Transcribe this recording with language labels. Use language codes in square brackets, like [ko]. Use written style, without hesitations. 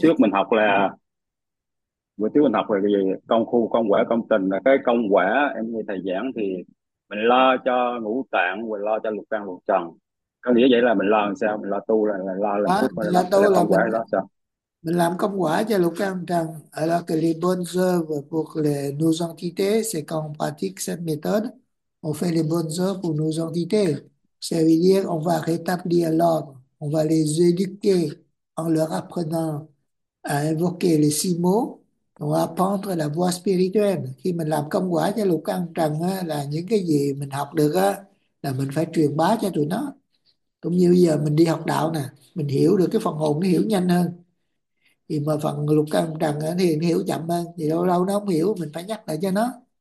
[vi] trước mình học là bữa trước mình học là cái gì, công khu công quả công trình, là cái công quả em nghe thầy giảng thì mình lo cho ngũ tạng, mình lo cho lục căn lục trần, có nghĩa vậy là mình lo làm sao, mình lo tu là lo làm À, phước hay là tôi là là công quả hay đó sao? mình làm công quả cho lục căn trần. [fr] Alors que les bonnes œuvres pour les, nos entités, c'est quand on pratique cette méthode, on fait les bonnes œuvres pour nos entités. Ça veut dire on va rétablir l'ordre, on va les éduquer en leur apprenant à invoquer les six mots, on va apprendre la voie spirituelle. [vi] Khi mình làm công quả cho lục căn trần á, là những cái gì mình học được á, là mình phải truyền bá cho tụi nó. Cũng như bây giờ mình đi học đạo nè, mình hiểu được cái phần hồn nó hiểu nhanh hơn. Thì mà phần lục căn trần thì nó hiểu chậm hơn, thì lâu lâu nó không hiểu, mình phải nhắc lại cho nó.